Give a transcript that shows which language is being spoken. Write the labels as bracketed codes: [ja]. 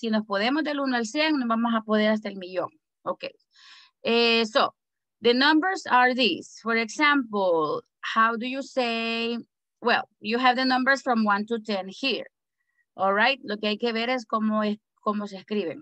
[es] Si nos podemos del 1 al 100, nos vamos a poder hasta el millón. [en] Okay. So, the numbers are these. For example, how do you say, well, you have the numbers from 1 to 10 here. [es] All right, lo que hay que ver es cómo se escriben.